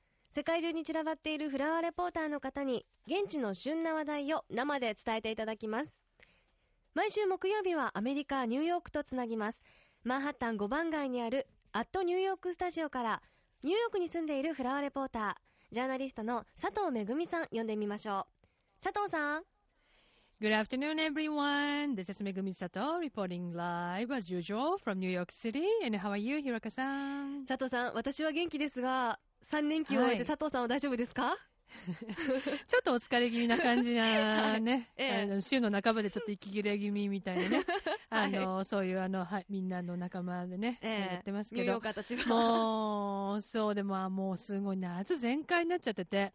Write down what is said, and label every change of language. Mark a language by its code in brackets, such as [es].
[ja] 世界中に散らばっているフラワーレポーターの方に現地の旬な話題を生で伝えていただきます。毎週木曜日はアメリカ・ニューヨークとつなぎます。マンハッタン5番街にあるアットニューヨークスタジオからニューヨークに住んでいるフラワーレポータージャーナリストの佐藤めぐみさん呼んでみましょう。佐藤さん。 [en] Good afternoon everyone. This is Megumi Sato reporting live as usual from New York City. And how are you, Hiroka-san? [ja] 佐藤さん、私は元気ですが、3連休を終えて佐藤さんは大丈夫ですか？ちょっとお疲れ気味な感じなね、はい、ええ、週の半ばでちょっと息切れ気味みたいなね、はい、そういうはい、みんなの仲間でね、ええ、やってますけど、ニューヨーカーたちはもうそう、でもあ、もうすごい夏全開になっちゃってて、